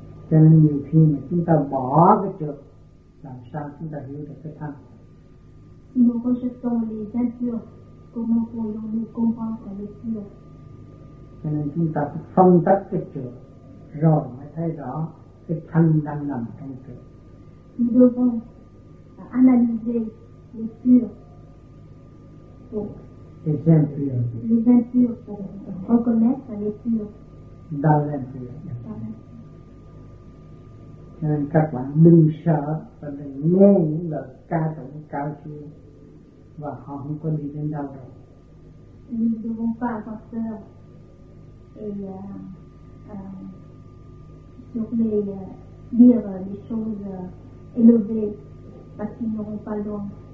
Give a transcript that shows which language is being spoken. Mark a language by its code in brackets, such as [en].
[vi] Cho nên nhiều khi mà chúng ta bỏ cái trược, làm sao chúng ta hiểu được cái thanh? [fr] Si nous rejetons les impurs, comment pourrions-nous comprendre les purs? [vi] Cho nên chúng ta phân tích cái trược rồi mới thấy rõ cái thanh đang nằm trong trược. [fr] Nous devons analyser les purs pour reconnaître les purs. Dans l'impur. [vi] Cho nên các bạn đừng sợ và đừng nghe những lời ca tụng cao siêu, và họ không có đi đến đâu đâu. [fr] Nous ne devons pas avoir peur sur les dire des choses élevées parce qu'ils n'auront pas loin.